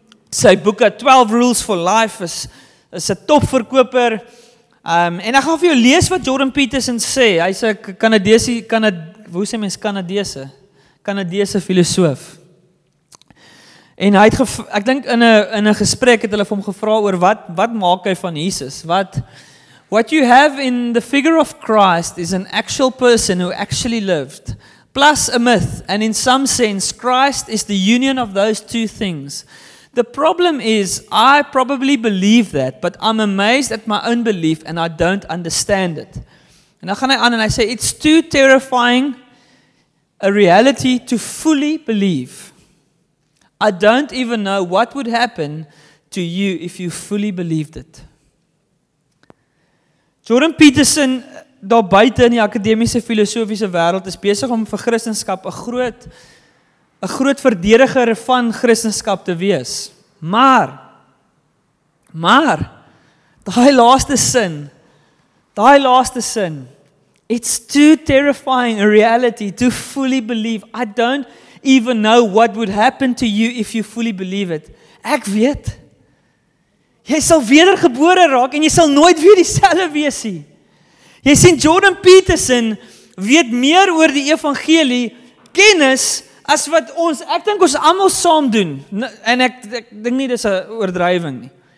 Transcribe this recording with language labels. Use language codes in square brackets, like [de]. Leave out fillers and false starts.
[af] sy boeke 12 Rules for Life is 'n topverkoper, en ek gaan vir jou lees wat Jordan Peterson sê, hy is 'n Canadese filosoof. En hy het ek dink in 'n gesprek het hulle vir hom gevra oor wat maak hy van Jesus? [en] What you have in the figure of Christ is an actual person who actually lived, plus a myth, and in some sense Christ is the union of those two things. The problem is I probably believe that, but I'm amazed at my own belief and I don't understand it. [af] En dan gaan hy aan en hy sê [en] it's too terrifying a reality to fully believe. I don't even know what would happen to you if you fully believed it. [af] Jordan Peterson, daar buiten in die akademiese filosofiese wêreld, is besig om vir Christenskap een groot verdediger van Christenskap te wees. Maar, die laaste sin, [en] it's too terrifying a reality to fully believe. I don't even know what would happen to you if you fully believe it. [af] Ek weet, jy sal wedergebore raak en jy sal nooit weer dieselfde wees nie. Jy sien, Jordan Peterson weet meer oor die evangelie, kennis, as wat ons, ek dink ons almal saam doen, en ek dink nie, dis 'n oordrywing nie.